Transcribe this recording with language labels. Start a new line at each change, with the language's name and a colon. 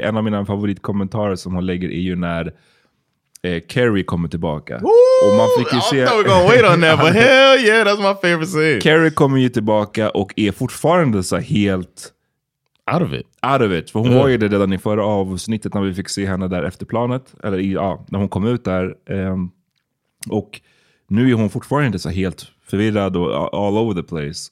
Swedish: En av mina favoritkommentarer som hon lägger är ju när Carrie kommer tillbaka.
English: Ooh,
Swedish: och man fick ju se,
English: I thought we were gonna wait on that, but hell yeah, that's my favorite scene.
Swedish: Carrie kommer ju tillbaka och är fortfarande så helt
English: out of it.
Swedish: För hon var ju det redan i förra avsnittet när vi fick se henne där efter planet. Eller ja, när hon kom ut där. Och nu är hon fortfarande så helt förvirrad och
English: all over the place.